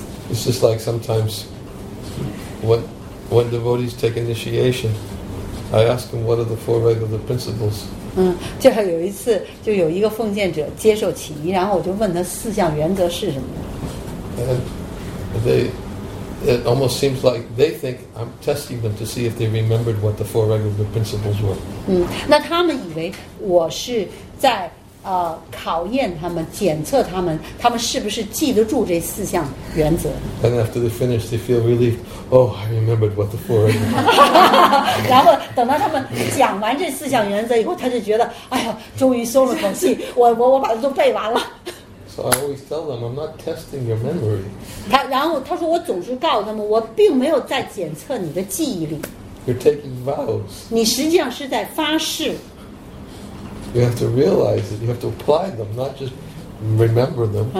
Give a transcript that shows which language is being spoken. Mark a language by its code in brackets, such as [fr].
[en] It's just like sometimes when devotees take initiation, I ask them what are the four regular principles. [zh] 就像有一次，就有一个奉献者接受启迪，然后我就问他四项原则是什么。 [en] And it almost seems like they think I'm testing them to see if they remembered what the four regular principles were. [zh] 那他们以为我是在考验他们，检测他们，他们是不是记得住这四项原则。 [en] And after they finish, they feel relieved. Oh, I remembered what the four regular principles were. [zh] 然后等到他们讲完这四项原则以后，他就觉得，哎呀，终于松了口气，我把它都背完了。 [en] So I always tell them, I'm not testing your memory. [zh] 然后他说我总是告诉他们，我并没有在检测你的记忆力。 [en] You're taking vows. [zh] 你实际上是在发誓。 [en] You have to realize it. You have to apply them, not just remember them.